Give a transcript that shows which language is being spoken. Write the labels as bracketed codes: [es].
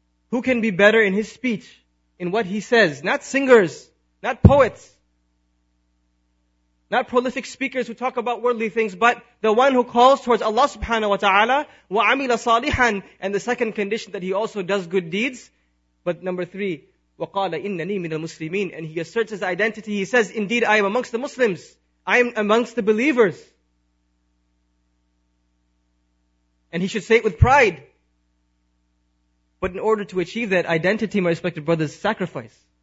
[en] Who can be better in his speech, in what he says? Not singers, not poets, not prolific speakers who talk about worldly things, but the one who calls towards Allah subhanahu wa ta'ala, [ar] وَعَمِلَ صَالِحًا. [en] And the second condition, that he also does good deeds. But number three, [ar] وَقَالَ إِنَّنِي مِنَ الْمُسْلِمِينَ. [en] And he asserts his identity. He says, indeed, I am amongst the Muslims. I am amongst the believers. And he should say it with pride. But in order to achieve that identity, my respected brothers, sacrifice.